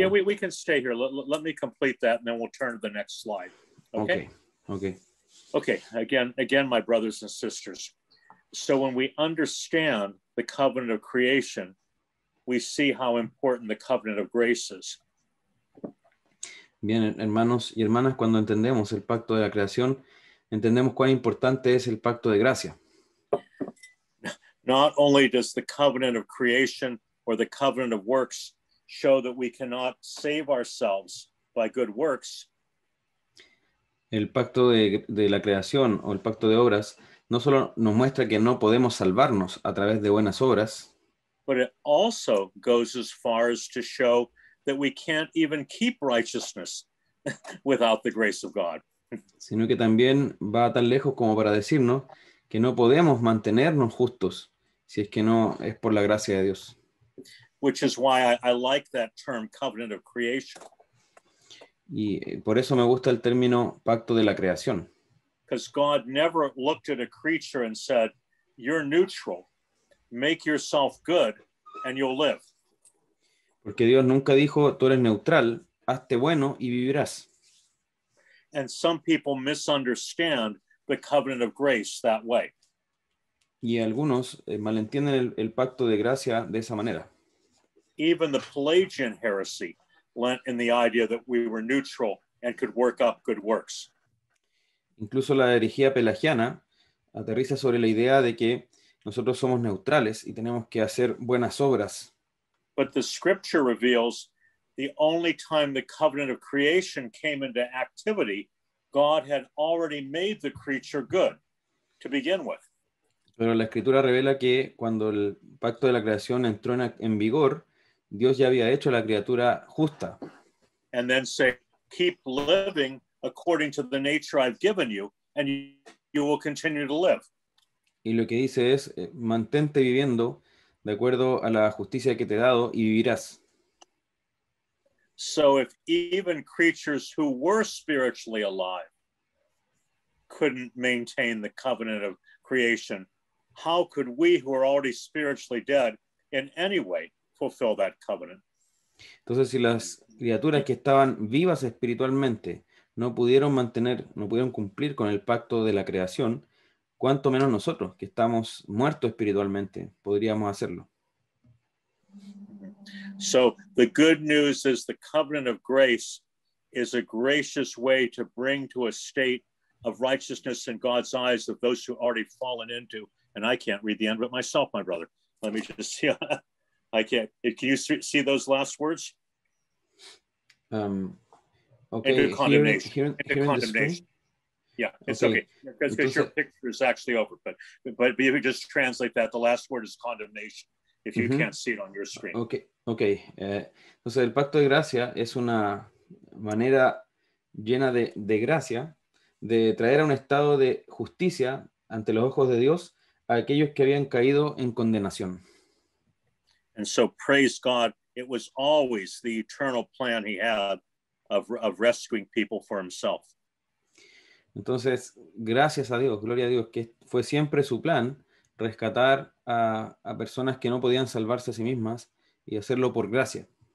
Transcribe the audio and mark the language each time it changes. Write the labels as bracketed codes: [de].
[en] Yeah, we can stay here. Let me complete that and then we'll turn to the next slide. Okay. Okay. Okay. Again, my brothers and sisters. So when we understand the covenant of creation, we see how important the covenant of grace is. [es] Bien, hermanos y hermanas, cuando entendemos el pacto de la creación, entendemos cuán importante es el pacto de gracia. [en] Not only does the covenant of creation or the covenant of works show that we cannot save ourselves by good works. [es] El pacto de la creación o el pacto de obras no solo nos muestra que no podemos salvarnos a través de buenas obras, [en] but it also goes as far as to show that we can't even keep righteousness without the grace of God. [es] Sino que también va tan lejos como para decirnos que no podemos mantenernos justos si es que no es por la gracia de Dios. [en] Which is why I like that term, covenant of creation. [es] Y por eso me gusta el término pacto de la creación. [en] Because God never looked at a creature and said, "You're neutral. Make yourself good, and you'll live." [es] Porque Dios nunca dijo, tú eres neutral, hazte bueno y vivirás. [en] And some people misunderstand the covenant of grace that way. [es] Y algunos malentienden el pacto de gracia de esa manera. [en] Even the Pelagian heresy lent in the idea that we were neutral and could work up good works. [es] Incluso la herejía pelagiana aterriza sobre la idea de que nosotros somos neutrales y tenemos que hacer buenas obras. [en] But the scripture reveals the only time the covenant of creation came into activity, God had already made the creature good to begin with. [es] Pero la escritura revela que cuando el pacto de la creación entró en vigor, Dios ya había hecho a la criatura justa. [en] And then say, keep living according to the nature I've given you, and you will continue to live. [es] Y lo que dice es, mantente viviendo de acuerdo a la justicia que te he dado y vivirás. [en] So if even creatures who were spiritually alive couldn't maintain the covenant of creation, how could we who are already spiritually dead in any way fulfill that covenant? [es] Entonces, si las criaturas que estaban vivas espiritualmente no pudieron cumplir con el pacto de la creación, cuanto menos nosotros, que estamos muertos espiritualmente, podríamos hacerlo. [en] So, the good news is the covenant of grace is a gracious way to bring to a state of righteousness in God's eyes of those who already fallen into, and I can't read the end of it myself, my brother. Let me just see. I can't. Can you see those last words? Okay. Into condemnation. Here in the screen. Yeah, it's okay. Because your picture is actually over, but if you could just translate that, the last word is condemnation, if you can't see it on your screen. Okay. [es] Entonces, el pacto de gracia es una manera llena de gracia de traer a un estado de justicia ante los ojos de Dios a aquellos que habían caído en condenación. [en] And so, praise God, it was always the eternal plan he had of rescuing people for himself. [es] Entonces, gracias a Dios, gloria a Dios, que fue siempre su plan rescatar a personas que no podían salvarse a sí mismas y hacerlo por gracia.